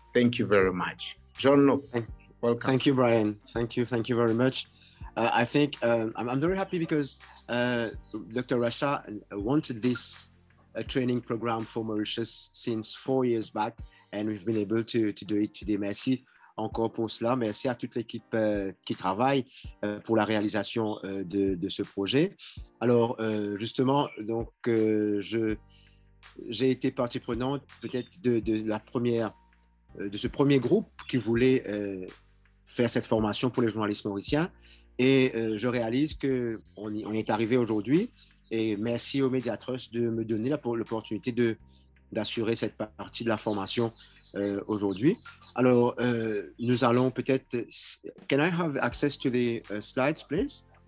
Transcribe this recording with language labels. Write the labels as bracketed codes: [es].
[en] Thank you very much. Jean-Luc, welcome. Thank you, Brian. Thank you very much. I think I'm very happy because Dr. Rasha wanted this training program for Mauritius since 4 years back, and we've been able to do it today. [fr] Merci encore pour cela. Merci à toute l'équipe qui travaille pour la réalisation de ce projet. Alors, justement, donc, j'ai été partie prenante peut-être de ce premier groupe qui voulait faire cette formation pour les journalistes mauriciens. Et je réalise qu'on est arrivé aujourd'hui. Et merci au Mediatrust de me donner l'opportunité d'assurer cette partie de la formation aujourd'hui. Alors, nous allons peut-être... [en] Can I have access to the slides, please?